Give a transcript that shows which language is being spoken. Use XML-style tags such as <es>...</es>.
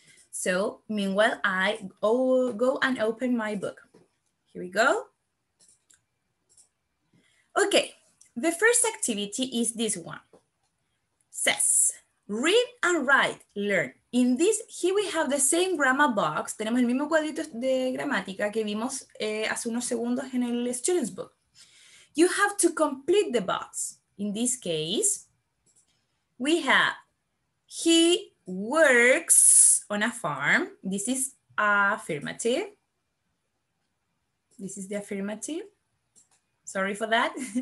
<en>So, meanwhile, I go and open my book. Here we go. Okay, the first activity is this one. Says, read and write, learn. In this, here we have the same grammar box.</en> <es>Tenemos el mismo cuadrito de gramática que vimos hace unos segundos en el student's book.</es> <en>You have to complete the box. In this case, we have he works on a farm. This is affirmative. This is the affirmative. Sorry for that.</en>